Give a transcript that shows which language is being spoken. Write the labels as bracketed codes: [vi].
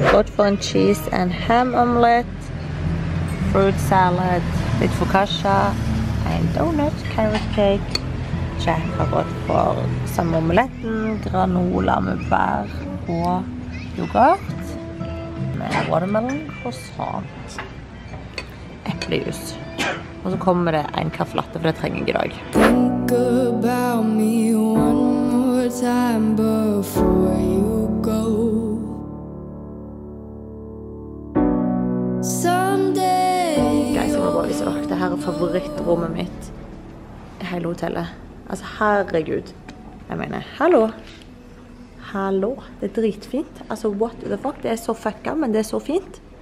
[no] Godt for en cheese and ham omelette, fruit salad, litt focaccia, en donut, carrot cake. Jack har gått for samme omeletten, granola med bær og yoghurt, med watermelon og sånt. Eplejus. Og så kommer det en kaffelatte, for det trenger jeg i dag. [en] Think about me one more time before you go. [no] Guys, jeg må bare vise dere. Dette er favorittrommet mitt i hele hotellet. Altså, herregud. Jeg mener, hallo. Hallo. Det er dritfint. Altså, [en] what the fuck? [no] Det er så fucka, men det er så fint.